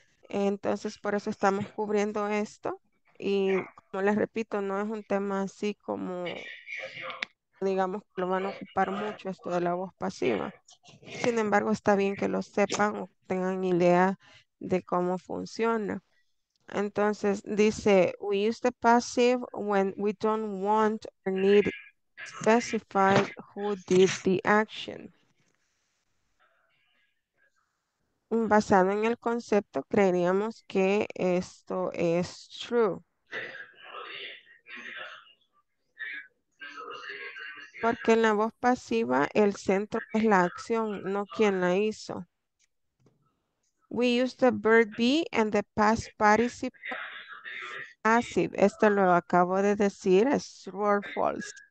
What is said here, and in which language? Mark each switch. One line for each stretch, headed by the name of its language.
Spanish: Entonces, por eso estamos cubriendo esto. Y como les repito, no es un tema así como, digamos, lo van a ocupar mucho esto de la voz pasiva. Sin embargo, está bien que lo sepan o tengan idea de cómo funciona. Entonces, dice,
English: we use the passive when we don't want or need to specify who did the action.
Spanish: Basado en el concepto, creeríamos que esto es true. Porque en la voz pasiva, el centro es la acción, no quien la hizo.
English: We use the verb be and the past participle passive.
Spanish: Esto lo acabo de decir, es
English: true or false.